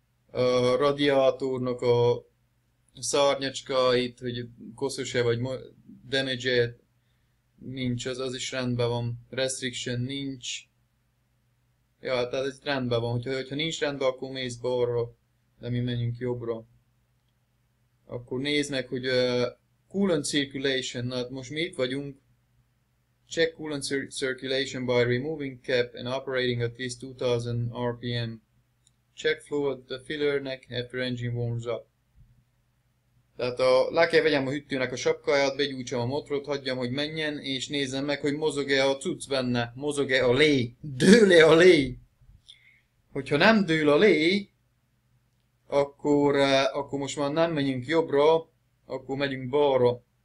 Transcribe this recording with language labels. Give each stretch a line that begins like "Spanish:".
Hungarian: A radiátornak a szárnyacskáit, hogy koszos-e vagy damage-e, nincs, az is rendben van. Restriction nincs. Ja, tehát ez rendben van. Hogyha nincs rendben, akkor mész balra, de mi menjünk jobbra. Akkor nézd meg, hogy
English: coolant circulation,
Hungarian: na hát most mi itt vagyunk.
English: Check coolant circulation by removing cap and operating at least 2000 RPM. Check flow at the fillernek after engine warms up.
Hungarian: Tehát le kell vegyem a hűtőnek a sapkáját, begyújtsam a motort, hagyjam, hogy menjen, és nézzem meg, hogy mozog-e a cucc benne, mozog-e a lé, dől-e a lé. Hogyha nem dől a lé, akkor most már nem megyünk jobbra, akkor megyünk balra.